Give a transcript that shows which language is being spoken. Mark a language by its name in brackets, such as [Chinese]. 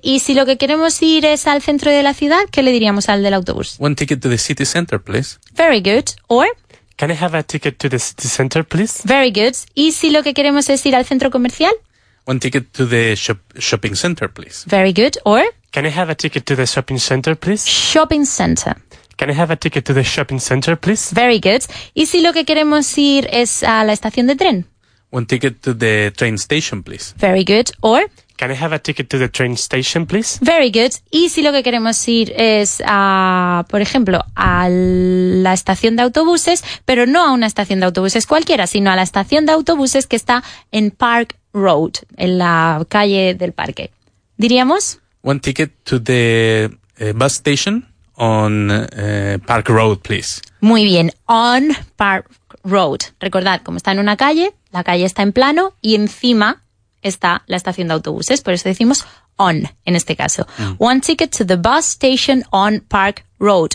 [Spanish] Y si lo que queremos ir es al centro de la ciudad, ¿qué le diríamos al del autobús? [English] One ticket to the city center, please. Very good. Or? Can I have a ticket to the city center, please? Very good. [Spanish] Y si lo que queremos es ir al centro comercial? [English] One ticket to the shopping center, please. Very good. Or? Can I have a ticket to the shopping center, please? Shopping center. Can I have a ticket to the shopping center, please? Very good. [Spanish] Y si lo que queremos ir es a la estación de tren? [English] One ticket to the train station, please. Very good. Or? Can I have a ticket to the train station, please? Very good. [Spanish] Y si lo que queremos ir es, por ejemplo, a la estación de autobuses, pero no a una estación de autobuses cualquiera, sino a la estación de autobuses que está en Park Road, en la calle del parque. ¿Diríamos? [English] One ticket to the bus station on Park Road, please. [Spanish] Muy bien. [English] On Park Road. [Spanish] Recordad, como está en una calle... La calle está en plano y encima está la estación de autobuses. Por eso decimos on en este caso. Mm. [English] One ticket to the bus station on Park Road.